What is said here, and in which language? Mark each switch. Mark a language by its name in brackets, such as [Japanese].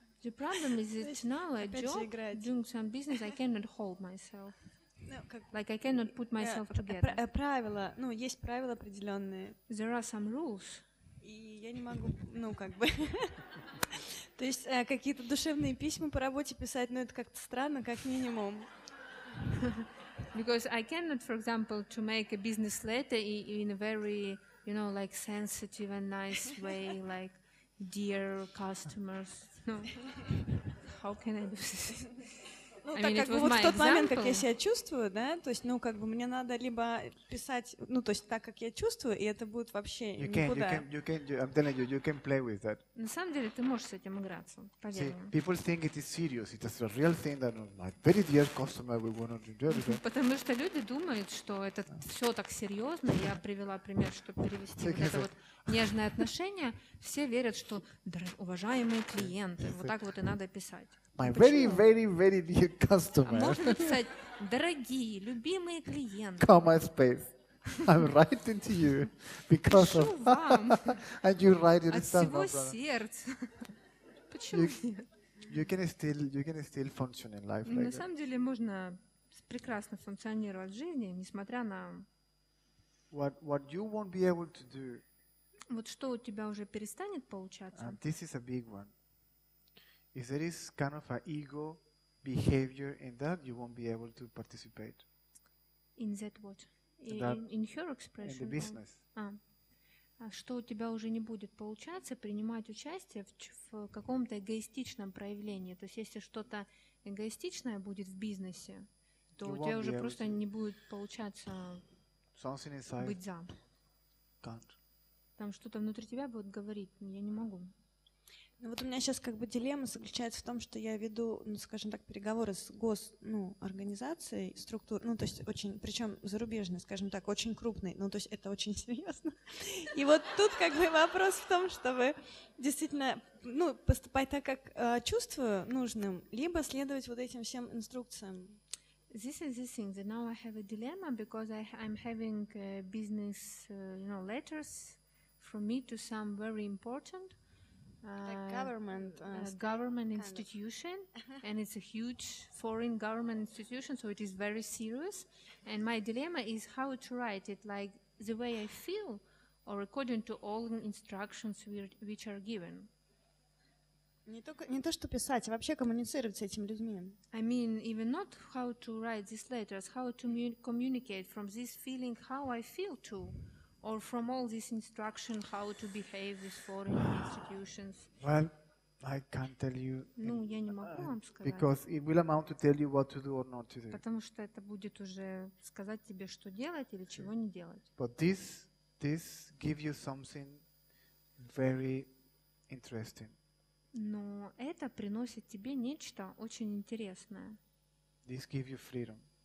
[English] The problem is that now I'm doing some business, I cannot hold myself. No, Like I cannot put myself together. [Russian] Правила, ну есть правила определенные. [English] There are some rules. [Russian] И я не могу, ну как бы. То есть какие-то душевные письма по работе писать, ну это как-то странно, как минимум. [English] Because I cannot, for example, to make a business letter in a very, you know, like sensitive and nice way, like dear customers. No. How can I do this? [Russian] Ну, [English] I mean, [Russian] так как бы вот в тот [English] example. [Russian] Момент, как я себя чувствую, да, то есть, ну, как бы мне надо либо писать, ну, то есть так, как я чувствую, и это будет вообще никуда. На самом деле ты можешь с этим играться, поверь. [English] See, people think it is serious, it is a real thing that my very dear customer we want to do. [Russian] Потому что люди думают, что это все так серьезно, я привела пример, чтобы перевести вот это вот нежное отношение, все верят, что уважаемые клиенты, вот так вот и надо писать. [English] My very, very, very dear customer. [Russian] Можно писать, дорогие, любимые клиенты. [English] Comma space. I'm writing to you because of. And you write it [Russian] от всего сердца. Почему? [English] You can still function in life. [Russian] На самом деле можно прекрасно функционировать в жизни, несмотря на. [English] What you won't be able to do. [Russian] Вот что у тебя уже перестанет получаться. [English] This is a big one. If there is kind of an ego behavior in that, you won't be able to participate. In that what? In her expression? In the business. [Russian] Что у тебя уже не будет получаться принимать участие в каком-то эгоистичном проявлении. То есть если что-то эгоистичное будет в бизнесе, то [English] you [Russian] у тебя уже просто не будет получаться [English] something inside [Russian] быть за. [English] Can't. [Russian] Там что-то внутри тебя будет говорить, я не могу. Ну вот у меня сейчас как бы дилемма заключается в том, что я веду, ну, скажем так, переговоры с госорганизацией, структур, ну, то есть очень, причем зарубежной, скажем так, очень крупной, ну, то есть это очень серьезно. И вот тут как бы вопрос в том, чтобы действительно, ну, поступать так, как чувствую нужным, либо следовать вот этим всем инструкциям. [English] This is the thing that now I have a dilemma, because I'm having business, you know, letters from me to some very important government institution, and it's a huge foreign government institution, so it is very serious. And my dilemma is how to write it, like the way I feel, or according to all instructions which are given. [Russian] Не то, что писать, а вообще коммуницировать с этими людьми. [English] I mean, even not how to write these letters, how to communicate from this feeling how I feel to. Or from all this instruction, how to behave with foreign institutions. Well, I can't tell you. [Russian] Ну, я не могу вам сказать. [English] Because it will amount to tell you what to do or not to do. [Russian] Потому что это будет уже сказать тебе, что делать или чего не делать. [English] But this gives you something very interesting. [Russian] Но это приносит тебе нечто очень интересное. [English] This gives you freedom.